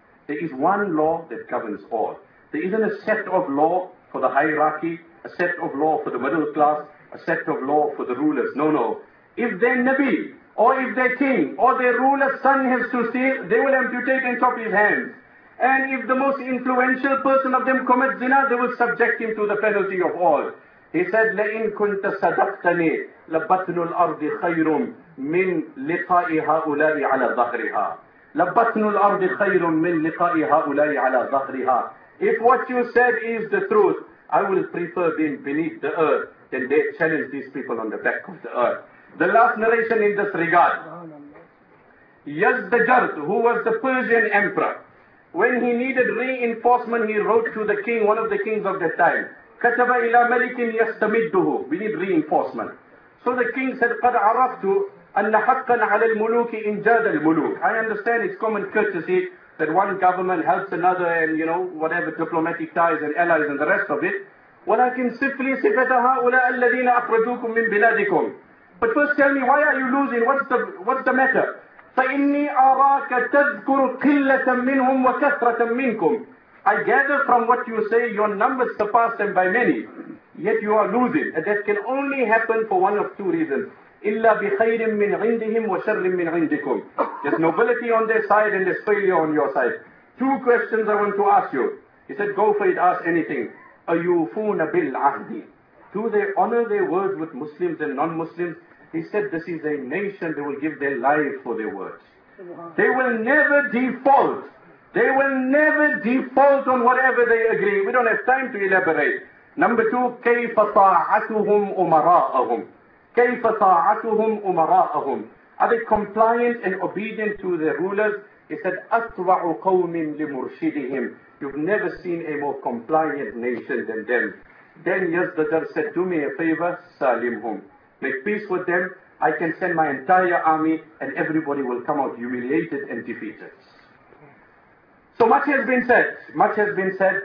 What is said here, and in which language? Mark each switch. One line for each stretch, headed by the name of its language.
English: There is one law that governs all. There isn't a set of law for the hierarchy, a set of law for the middle class, a set of law for the rulers. No. If their Nabi, or if their king, or their ruler's son has to steal, they will have to take and chop his hands. And if the most influential person of them commits zina, they will subject him to the penalty of all. He said,
Arabic: لَإِن كُنْتَ صَدَقْتَنِي لَبَطْنُ الْأَرْضِ خَيْرٌ مِنْ لِقَاءِ هَؤُلَاءِ عَلَى ظَهْرِهَا. لَبَطْنُ الْأَرْضِ خَيْرٌ مِنْ لِقَاءِ هَؤُلَاءِ عَلَى ظَهْرِهَا.
English: If what you said is the truth, I will prefer being beneath the earth than they challenge these people on the back of the earth. The last narration in this regard. Yazdajard, who was the Persian emperor, when he needed reinforcement, he wrote to the king, one of the kings of that time.
Arabic: كَتَبَ إِلَى مَلِكٍ يَسْتَمِدُّهُ.
English: We need reinforcement. So the king said,
Arabic: قَدْ عَرَفْتُ أَنَّ حَقًّا عَلَى الْمُلُوكِ إِنْ جَادَ الْمُلُوكِ.
English: I understand it's common courtesy that one government helps another and, you know, whatever diplomatic ties and allies and the rest of it.
Arabic: وَلَكِنْ سِفْلِي سِفَتَ هَؤُلَاءَ الَّذِينَ أَخْرَجُوكُمْ مِنْ بِلَادِكُمْ.
English: But first tell me, why are you losing? What's the matter?
Arabic: فإني أراك تذكر قلة منهم وكثرة منكم.
English: I gather from what you say, your numbers surpass them by many, yet you are losing. And that can only happen for one of two reasons.
Arabic: إِلَّا بِخَيْرٍ مِّنْ عِنْدِهِمْ وَشَرٍ مِّنْ عِنْدِكُمْ.
English: There's nobility on their side and there's failure on your side. Two questions I want to ask you. He said, go for it, ask anything.
Arabic: أَيُوفُونَ بِالْعَهْدِ.
English: Do they honor their word with Muslims and non-Muslims? He said, this is a nation, they will give their life for their words. They will never default. They will never default on whatever they agree. We don't have time to elaborate. Number two,
Arabic: كَيْفَ طَاعَتُهُمْ أُمَرَاءَهُمْ. كَيْفَ طَاعَتُهُمْ أُمَرَاءَهُمْ.
English: Are they compliant and obedient to their rulers? He said,
Arabic: أَطْوَعُ قَوْمٍ لِمُرْشِدِهِمْ.
English: You've never seen a more compliant nation than them. Then Yazdajar said, do me a favor, salimhum. Make peace with them. I can send my entire army and everybody will come out humiliated and defeated. So much has been said. Much has been said.